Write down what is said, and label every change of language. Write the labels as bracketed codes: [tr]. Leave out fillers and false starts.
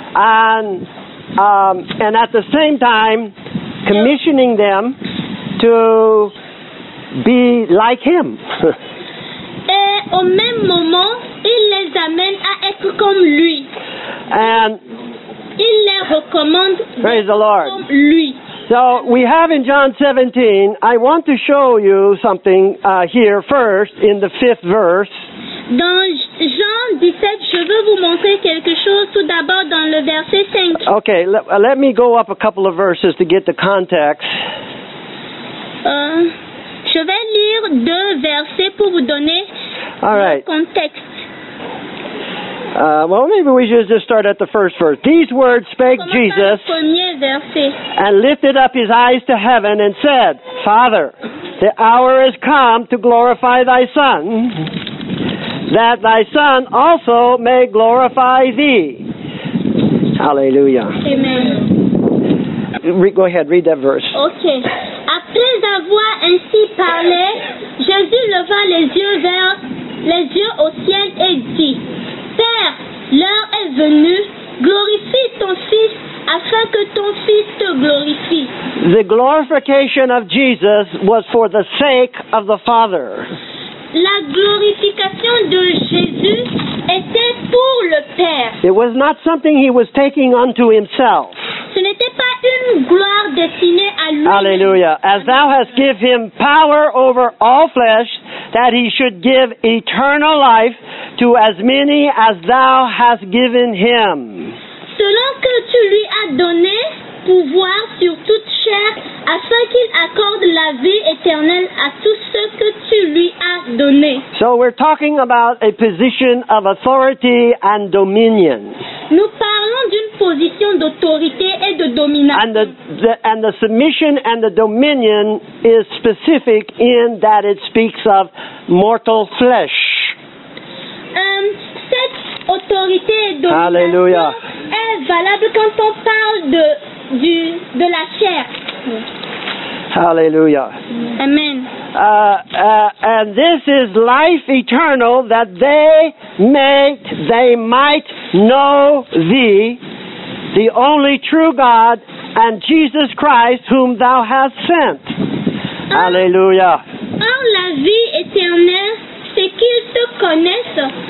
[en] And at the same time, commissioning them to be like him. [fr] Et au même moment, il les amène à être comme lui. [en] And [fr] il les recommande [en] praise the Lord. [fr] Comme lui. [en] So we have in John 17, I want to show you something here first in the fifth verse. [fr] Dans Jean 17, je veux vous montrer quelque chose tout d'abord dans le verset 5. [en] Okay, let me go up a couple of verses to get the context. [fr] Je vais lire deux versets pour vous donner [en] All right. [fr] le contexte. [en] Well, maybe we should just start at the first verse. These words spake Jesus and lifted up his eyes to heaven and said, Father, the hour is come to glorify thy Son, that thy Son also may glorify thee. Hallelujah. Amen. Go ahead, read that verse. Okay. [fr] Après avoir ainsi parlé, Jésus leva les yeux vers les yeux au ciel et dit, Père, l'heure est venue, glorifie ton Fils, afin que ton Fils te glorifie. [en] The glorification of Jesus was for the sake of the Father. [fr] La glorification de Jésus était pour le Père. [en] It was not something he was taking unto himself. [fr] Ce n'était pas une gloire destinée à lui. [en] Hallelujah. As thou hast given him power over all flesh, that he should give eternal life to as many as thou hast given him. [fr] Selon que tu lui as donné pouvoir sur toute chair, afin qu'il accorde la vie éternelle à tous ceux que tu lui as donné. [en] So we're talking about a position of authority and dominion. [fr] Nous parlons d'une position d'autorité et de domination. [en] And the submission and the dominion is specific in that it speaks of mortal flesh. [fr] Cette autorité et domination Hallelujah. Est valable quand on parle de la chair. [en] Hallelujah. Amen. And this is life eternal that they might know thee, the only true God, and Jesus Christ whom thou hast sent. Hallelujah. [fr] Or la vie éternelle, c'est qu'ils te connaissent.